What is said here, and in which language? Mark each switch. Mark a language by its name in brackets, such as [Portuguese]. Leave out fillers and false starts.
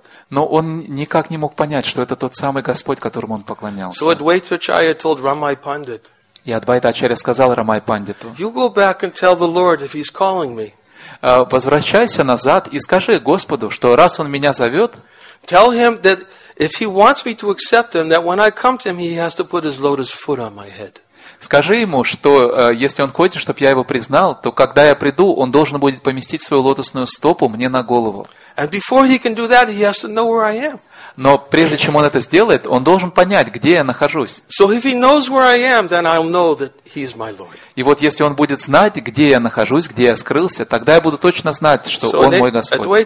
[Russian] Но он никак не мог понять, что это тот самый Господь, которому он поклонялся. Так Адвайта Ачарья сказал Рамай Пандиту. И Адвайта Ачарья сказал Рамай Пандиту. Ты вернешься и скажешь Господу, если Он зовет меня. Возвращайся назад и скажи Господу, что раз Он меня зовет, [English] tell him that if he wants me to accept him, that when I come to him, he has to put his lotus foot on my head. [Russian] Скажи ему, что если он хочет, чтобы я его признал, то когда я приду, он должен будет поместить свою лотосную стопу мне на голову. [English] And before he can do that, he has to know where I am. [Russian] Но прежде чем он это сделает, он должен понять, где я нахожусь. [English] So if he knows where I am, then I'll know that he is my Lord. [Russian] И вот если он будет знать, где я нахожусь, где я скрылся, тогда я буду точно знать, что он мой Господь.